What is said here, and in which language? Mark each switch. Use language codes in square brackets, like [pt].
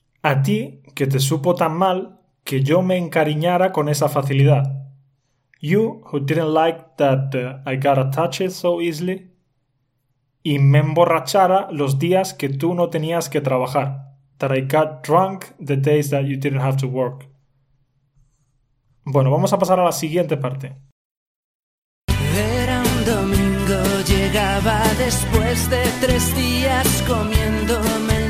[es] A ti que te supo tan mal que yo me encariñara con esa facilidad. [en] You, who didn't like that I got attached so easily. [es] y me emborrachara los días que tú no tenías que trabajar. [en] That I got drunk the days that you didn't have to work. [es] Bueno, vamos a pasar a la siguiente parte. Era un domingo, llegaba después de 3 días comiéndome.